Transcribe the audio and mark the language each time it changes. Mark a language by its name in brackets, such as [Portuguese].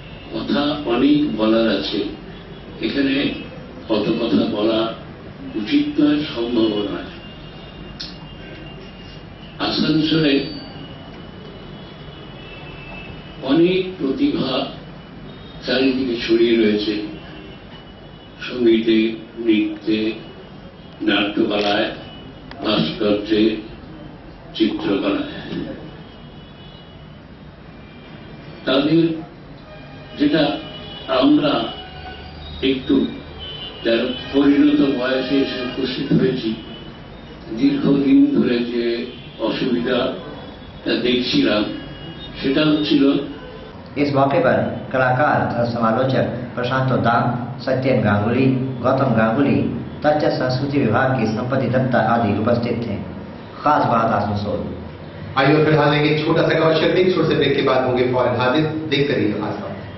[Bangla] कथा अनेक बलार आखने कत कथा बला उचित न सम्भव नसनसोले অনেক প্রতিভা চারিদিকে ছড়িয়ে রয়েছে, সঙ্গীতে, নৃত্যে, নাট্যকলায়, ভাস্কর্যে, চিত্রকলায়। তাদের যেটা আমরা একটু যারা পরিণত বয়সে এসে উপস্থিত হয়েছি, দীর্ঘদিন ধরে যে অসুবিধাটা দেখছিলাম সেটা হচ্ছিল। [Hindi] इस मौके पर कलाकार तथा समालोचक प्रशांत दाम, सत्यन गांगुली, गौतम गांगुली, तथ्य संस्कृति विभाग की संपत्ति दत्ता आदि उपस्थित थे। खास बात आसनसोल। आइए फिलहाल लेंगे छोटा सा कमर्शियल ब्रेक, छोटे से ब्रेक के बाद होंगे फौरन हाजिर, देखते रहिए खास बात।